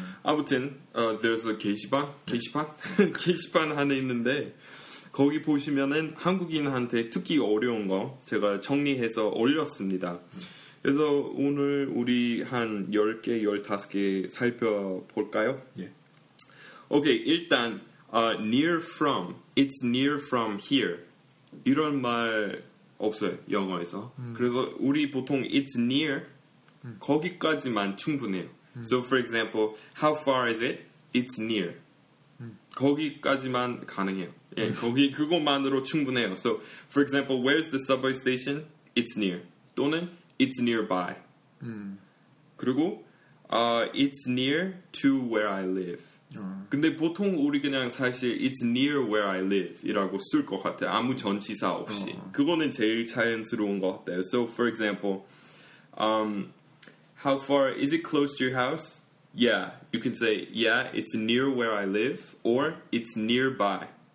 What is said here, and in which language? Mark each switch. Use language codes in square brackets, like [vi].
[ko] 아무튼 [en] there's a [ko] 게시판? 게시판? 네. 게시판 안에 있는데 거기 보시면은 한국인한테 특히 어려운 거 제가 정리해서 올렸습니다. 그래서 오늘 우리 한 10개, 15개 살펴볼까요? 예. 오케이, 일단 [en] near from, it's near from here. [ko] 이런 말 없어요, 영어에서. 그래서 우리 보통 [en] it's near, [ko] 거기까지만 충분해요. [en] So for example, how far is it? It's near. [ko] 거기까지만 가능해요. 예, 거기 그것만으로 충분해요. [en] So for example, where's the subway station? It's near. [ko] 또는 [en] it's nearby. [ko] 그리고 [en] it's near to where I live. [ko] 근데 보통 우리 그냥 사실 [en] it's near where I live [ko] 이라고 쓸 것 같아요. 아무 전치사 없이. 그거는 제일 자연스러운 것 같아요. [en] So for example, how far, is it close to your house? Yeah, you can say, yeah, it's near where I live or it's nearby.